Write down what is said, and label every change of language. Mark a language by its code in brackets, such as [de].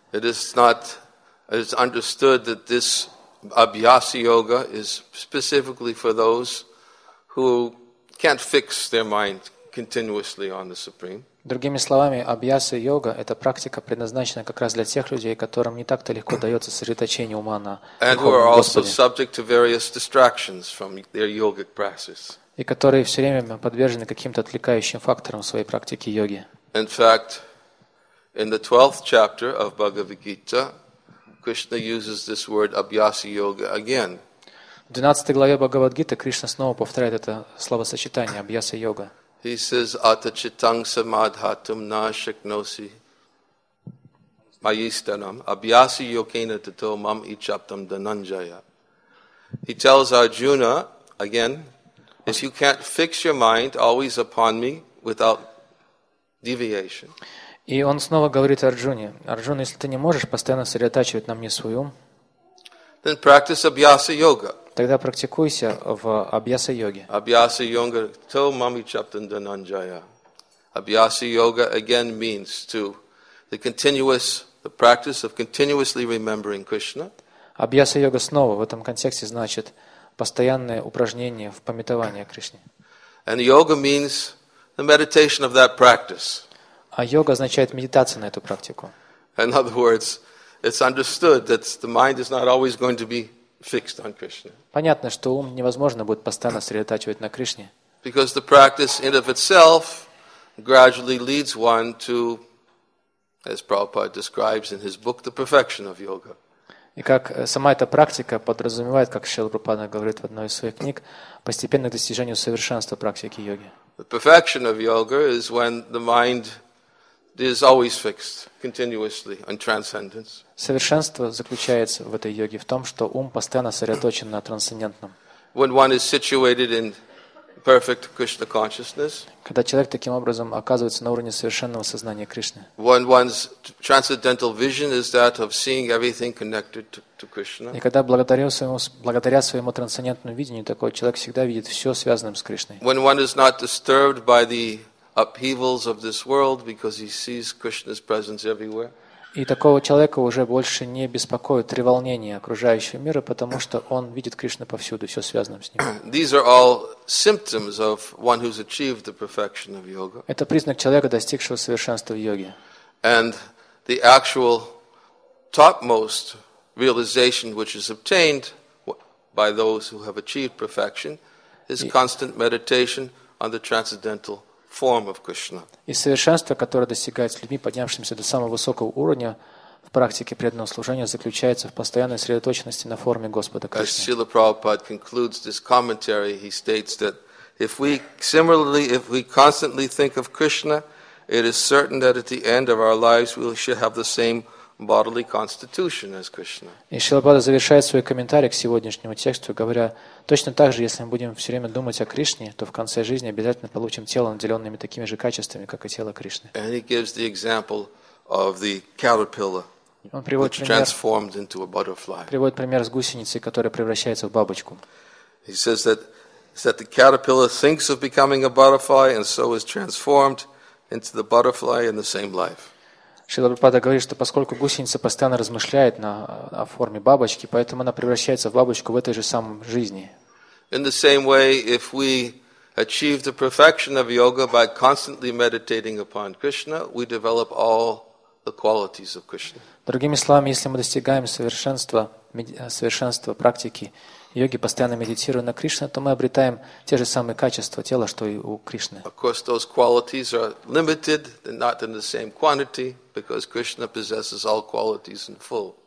[en] It is not. It is understood that this Abhyasa Yoga is specifically for those who can't fix their mind continuously on the Supreme. [ru] Другими словами, Абьяса Йога – это практика, предназначена как раз для тех людей, которым не так-то легко дается сосредоточение ума на Господе. И которые все время подвержены каким-то отвлекающим факторам в своей практике йоги. [en] In fact, in the 12th chapter of Bhagavad Gita, Krishna uses this word Abhyasa Yoga again. [ru] В 12 главе Бхагавад Гиты Кришна снова повторяет это словосочетание Абьяса Йога. [en] He says, [sa] Atachitang samadhatum na shaknosi mayistanam abhyasi yokena tato mam ichaptam dananjaya. [en] He tells Arjuna, again, if you can't fix your mind always upon me without deviation. [ru] И он снова говорит Арджуне, если ты не можешь постоянно сосредотачивать на мне свой ум, [en] then practice Abhyasa Yoga. [ru] Тогда практикуйся в Абьяса Йоге. [en] Abhyasa Yoga [sa] to Mami Chaptan Dananjaya. [en] Abhyasa Yoga again means to the practice of continuously remembering Krishna. [ru] Абьяса Йога снова в этом контексте значит постоянное упражнение в памятовании о Кришне. [en] And yoga means the meditation of that practice. [ru] А йога означает медитация на эту практику. [en] In other words, it's understood that the mind is not always going to be fixed on Krishna. [ru] Понятно, что ум невозможно будет постоянно сосредотачивать на Кришне. [en] Because the practice in of itself gradually leads one to, as Prabhupada describes in his book, the perfection of yoga. [ru] И как сама эта практика подразумевает, как Шрила Прабхупада говорит в одной из своих книг, постепенное достижение совершенства практики йоги. [en] The perfection of yoga is when the mind is always fixed continuously on transcendence. [ru] Совершенство заключается в этой йоге в том, что ум постоянно сосредоточен на трансцендентном. [en] When one is situated in perfect Krishna consciousness. [ru] Когда человек таким образом оказывается на уровне совершенного сознания Кришны. [en] When one's transcendental vision is that of seeing everything connected to Krishna. [ru] И когда благодаря своему трансцендентному видению такой человек всегда видит все связанным с Кришной. [en] When one is not disturbed by the upheavals of this world because he sees Krishna's presence everywhere. [ru] И такого человека уже больше не беспокоит треволнение окружающего мира, потому что он видит Кришну повсюду, все связано с ним. [en] These are all symptoms of one who's achieved the perfection of yoga. [ru] Это признак человека, достигшего совершенства в йоге. [en] And the actual topmost realization which is obtained by those who have achieved perfection is constant meditation on the transcendental form of Krishna. [ru] И совершенство, которое достигается людьми, поднявшимися до самого высокого уровня в практике преданного служения, заключается в постоянной сосредоточенности на форме Господа Кришны. [en] As Srila Prabhupada concludes this commentary, he states that if we constantly think of Krishna, it is certain that at the end of our lives we shall have the same bodily constitution as Krishna. [ru] И Шрила Прабхупада завершает свой комментарий к сегодняшнему тексту, говоря: точно так же, если мы будем все время думать о Кришне, то в конце жизни обязательно получим тело, наделенное такими же качествами, как и тело Кришны. [en] And he gives the example of the caterpillar, which transformed into a butterfly. [ru] Приводит пример с гусеницей, которая превращается в бабочку. [en] He says that the caterpillar thinks of becoming a butterfly and so is transformed into the butterfly in the same life. [ru] Шрила Прабхупада говорит, что поскольку гусеница постоянно размышляет о форме бабочки, поэтому она превращается в бабочку в этой же самой жизни. [en] In the same way, if we achieve the perfection of yoga by constantly meditating upon Krishna, we develop all the qualities of Krishna. [ru] Другими словами, если мы достигаем совершенства практики йоги, постоянно медитируя на Кришну, то мы обретаем те же самые качества тела, что и у Кришны. [en] Of course, those qualities are limited, they're not in the same quantity, because Krishna possesses all qualities in full.